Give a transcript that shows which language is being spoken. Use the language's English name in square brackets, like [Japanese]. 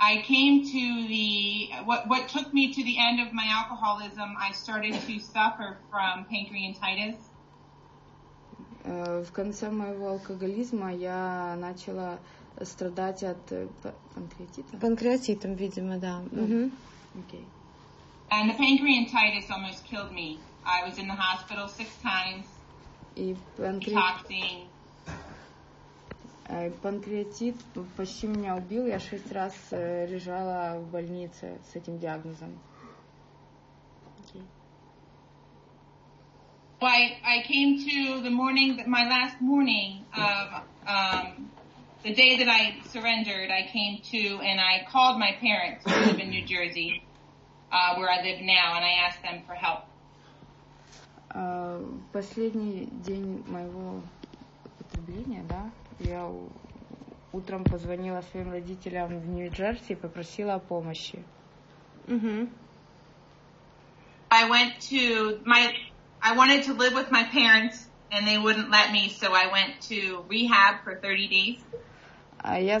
[English] I came to the what took me to the end of my alcoholism. I started to suffer from pancreatitis. [Russian] В конце моего алкоголизма я начала страдать от панкреатита. Панкреатитом, видимо, да. [English] Mm-hmm. Okay. And the pancreatitis almost killed me. I was in the hospital 6 times, detoxing. [Russian] Панкреатит почти меня убил. Я 6 раз лежала в больнице с этим диагнозом. [English] Okay. Well, I came to the morning, my last morning of the day that I surrendered, I came to and I called my parents who live in New Jersey, where I live now, and I asked them for help. [Russian] Последний день моего употребления, да, я утром позвонила своим родителям в Нью-Джерси и попросила о помощи. [English] I went to my, I wanted to live with my parents and they wouldn't let me, so I went to rehab for 30 days.